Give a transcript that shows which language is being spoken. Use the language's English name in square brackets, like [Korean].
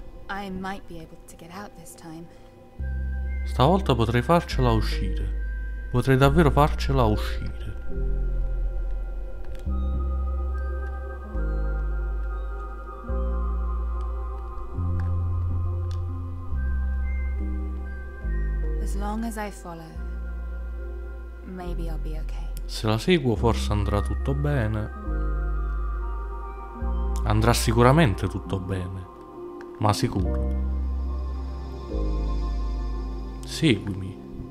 [English] I might be able to get out this time. [Italian] Stavolta potrei farcela uscire. Potrei davvero farcela uscire. [English] As long as I follow, maybe I'll be okay. [Italian] Se la seguo, forse andrà tutto bene. Andrà sicuramente tutto bene. Ma sicuro. Seguimi.